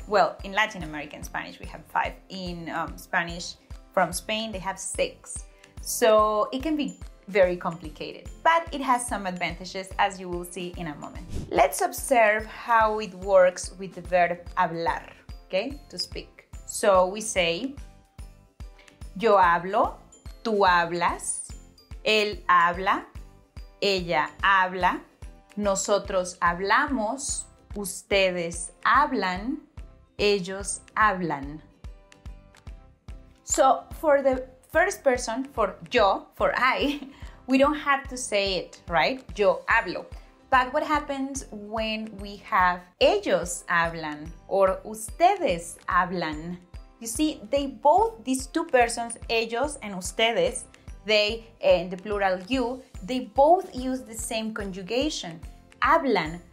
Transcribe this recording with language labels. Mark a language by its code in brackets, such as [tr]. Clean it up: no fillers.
[en] Well, in Latin American Spanish, we have five. In Spanish from Spain, they have six. So it can be very complicated, but it has some advantages, as you will see in a moment. Let's observe how it works with the verb hablar, okay? To speak. So we say, [es] yo hablo, tú hablas, él habla, ella habla, nosotros hablamos, ustedes hablan, ellos hablan. [en] So for the first person, for yo, for I, we don't have to say it, right? [es] Yo hablo. [en] But what happens when we have [es] ellos hablan [en] or [es] ustedes hablan? [en] You see, they both, these two persons, ellos and ustedes, they and the plural you, they both use the same conjugation, hablan.